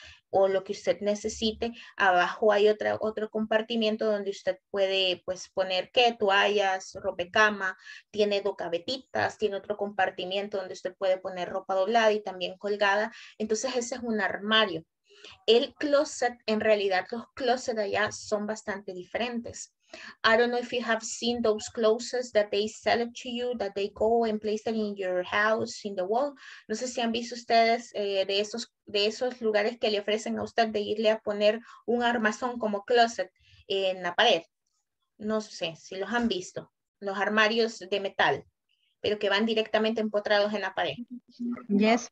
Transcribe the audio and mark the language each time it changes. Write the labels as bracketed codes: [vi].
[es] O lo que usted necesite. Abajo hay otro compartimiento donde usted puede, pues, poner, ¿qué? Toallas, ropa de cama, tiene dos gavetitas, tiene otro compartimiento donde usted puede poner ropa doblada y también colgada. Entonces, ese es un armario. El closet, en realidad los closets allá son bastante diferentes. [en] I don't know if you have seen those closets that they sell it to you, that they go and place them in your house, in the wall. [es] No sé si han visto ustedes de esos lugares que le ofrecen a usted de irle a poner un armazón como closet en la pared. No sé si los han visto. Los armarios de metal, pero que van directamente empotrados en la pared. [en] Yes.